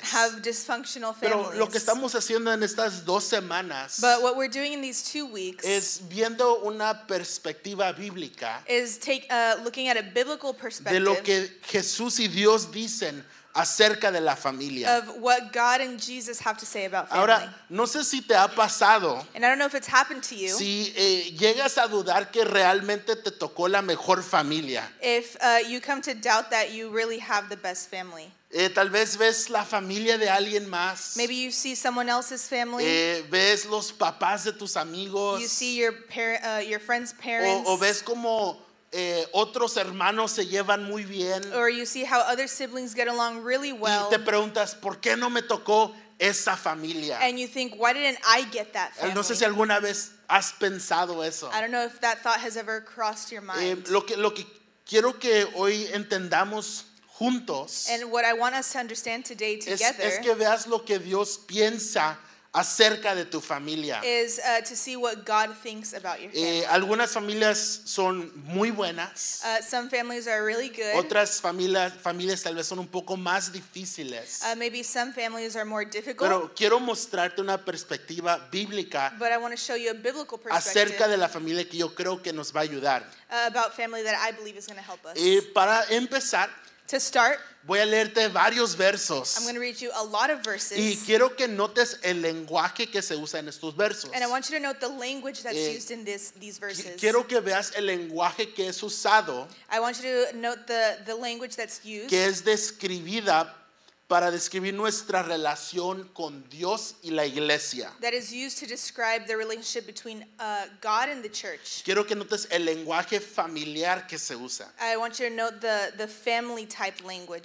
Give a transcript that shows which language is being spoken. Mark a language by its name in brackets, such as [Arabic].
[English] have dysfunctional families. [Spanish] Pero lo que estamos haciendo en estas dos semanas, [English] but what we're doing in these 2 weeks, [Spanish] es viendo una perspectiva bíblica, [English] is take, looking at a biblical perspective, [Spanish] de lo que Jesús y Dios dicen acerca de la familia. [English] Of what God and Jesus have to say about family. [Spanish] Ahora, no sé si te ha pasado, [English] and I don't know if it's happened to you. [Spanish] Si llegas a dudar que realmente te tocó la mejor familia. [English] If you come to doubt that you really have the best family. [Spanish] Tal vez ves la familia de alguien más. [English] Maybe you see someone else's family. [Spanish] Ves los papás de tus amigos. [English] You see your your friend's parents. [Spanish] O ves como otros hermanos se llevan muy bien. [English] Or you see how other siblings get along really well. [Spanish] Y te preguntas, ¿por qué no me tocó esa familia? [English] And you think, why didn't I get that family? [Spanish] No sé si alguna vez has pensado eso. [English] I don't know if that thought has ever crossed your mind. [Spanish] Lo que quiero que hoy entendamos juntos, [English] and what I want us to understand today together, [Spanish] es que veas lo que Dios piensa acerca de tu familia. [English] Is to see what God thinks about your family. [Spanish] Algunas familias son muy buenas. [English] Some families are really good. [Spanish] Otras familias tal vez son un poco más difíciles. [English] Maybe some families are more difficult. [Spanish] Pero quiero mostrarte una perspectiva bíblica. [English] But I want to show you a biblical perspective. [Spanish] Acerca de la familia que yo creo que nos va a ayudar. [English] About family that I believe is going to help us. [Spanish] Para empezar, [English] to start, [Spanish] voy a leerte varios versos. [English] I'm going to read you a lot of verses. [Spanish] Y quiero que notes el lenguaje que se usa en estos versos. [English] And I want you to note the language that's used in these verses. [Spanish] Quiero que veas el lenguaje que es usado. [English] I want you to note the language that's used. [Spanish] Que es describida para describir nuestra relación con Dios y la iglesia. [English] That is used to describe the relationship between God and the church. [Spanish] Quiero que notes el lenguaje familiar que se usa. [English] I want you to note the family type language.